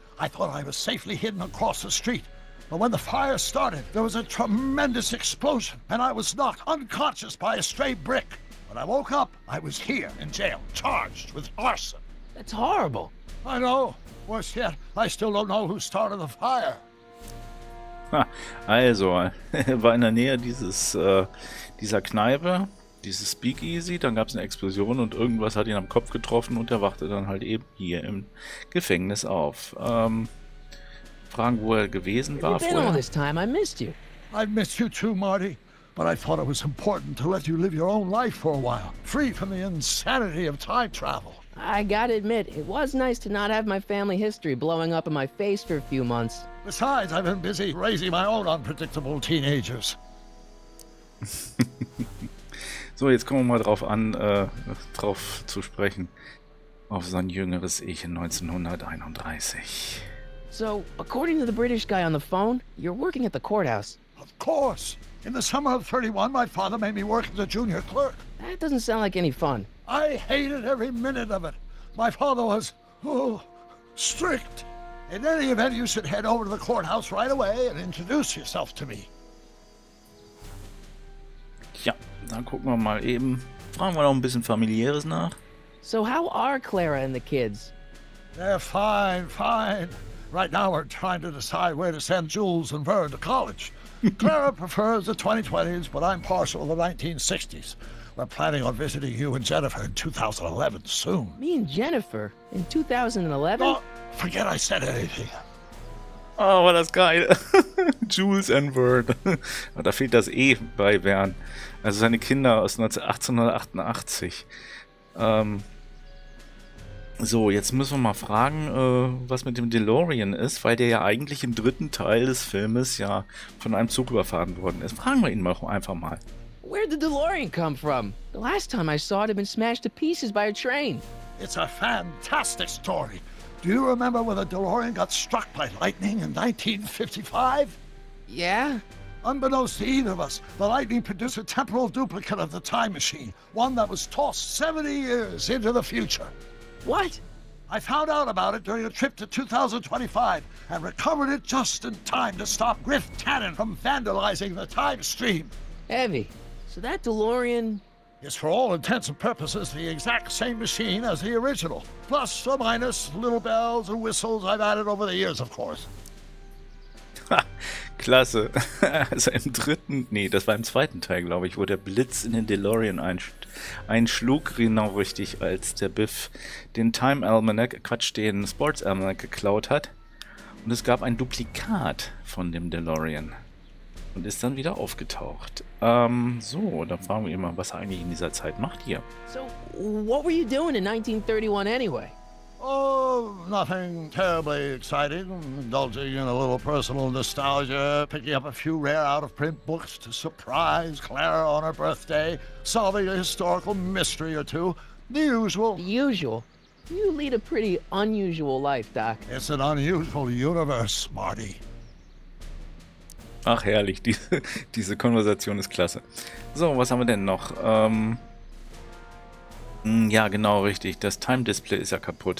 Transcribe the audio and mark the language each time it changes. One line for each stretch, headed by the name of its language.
English: I thought I was safely hidden across the street. But when the fire started, there was a tremendous explosion, and I was knocked unconscious by a stray brick. When I woke up, I was here in jail, charged with arson. That's horrible. I know. Worse yet, I still don't know who started the fire.
German: Also, er war in der Nähe dieser Kneipe, dieses Speakeasy, dann gab es eine Explosion und irgendwas hat ihn am Kopf getroffen und er wachte dann halt eben hier im Gefängnis auf. Fragen, wo er gewesen war vorher.
English: Been all this time, I missed you. I've missed you too, Marty. But I thought it was important to let you live your own life for a while, free from the insanity of time travel. I gotta admit, it was nice to not have my family history blowing up in my face for a few months. Besides, I've been busy raising my own unpredictable teenagers.
German: So, jetzt kommen wir mal drauf an, drauf zu sprechen. Auf sein jüngeres Ich in 1931.
English: So, according to the British guy on the phone, you're working at the courthouse. Of course. In the summer of 31, my father made me work as a junior clerk. That doesn't sound like any fun. I hated every minute of it. My father was, strict. In any event, you should head over to the courthouse right away and introduce yourself to me.
German: Ja, dann gucken wir mal eben. Fragen wir noch ein bisschen Familiäres nach.
English: So how are Clara and the kids? They're fine, fine. Right now we're trying to decide where to send Jules and Vern to college. Clara prefers the 2020s, but I'm partial to the 1960s. We're planning on visiting you and Jennifer in 2011 soon. Me and Jennifer? In 2011? Oh, forget I said anything.
German: Oh, war das geil. Jules and Vern. Da fehlt das E bei Vern. Also seine Kinder aus 1888. So, jetzt müssen wir mal fragen, was mit dem DeLorean ist, weil der ja eigentlich im dritten Teil des Filmes ja von einem Zug überfahren worden ist. Fragen wir ihn mal einfach mal.
English: Where did the DeLorean come from? The last time I saw it had been smashed to pieces by a train. It's a fantastic story. Do you remember when the DeLorean got struck by lightning in 1955? Yeah. Unbeknownst to either of us, the lightning produced a temporal duplicate of the time machine, one that was tossed 70 years into the future. What? I found out about it during a trip to 2025 and recovered it just in time to stop Griff Tannen from vandalizing the time stream. Heavy. So that DeLorean... is for all intents and purposes the exact same machine as the original. Plus or minus little bells and whistles I've added over the years, of course.
German: Klasse. Also im dritten, nee, das war im zweiten Teil, glaube ich, wo der Blitz in den DeLorean einschlug, genau richtig, als der Biff den Time Almanac, Quatsch, den Sports Almanac geklaut hat. Und es gab ein Duplikat von dem DeLorean und ist dann wieder aufgetaucht. So, dann fragen wir mal, was er eigentlich in dieser Zeit macht hier.
English: So, what were you doing in 1931 anyway? Oh, nothing terribly exciting. Indulging in a little personal nostalgia, picking up a few rare out-of-print books to surprise Clara on her birthday, solving a historical mystery or two. The usual. The usual? You lead a pretty unusual life, Doc. It's an unusual universe, Marty.
German: Ach, herrlich. Diese Konversation ist klasse. So, was haben wir denn noch? Ja, genau richtig. Das Time Display ist ja kaputt.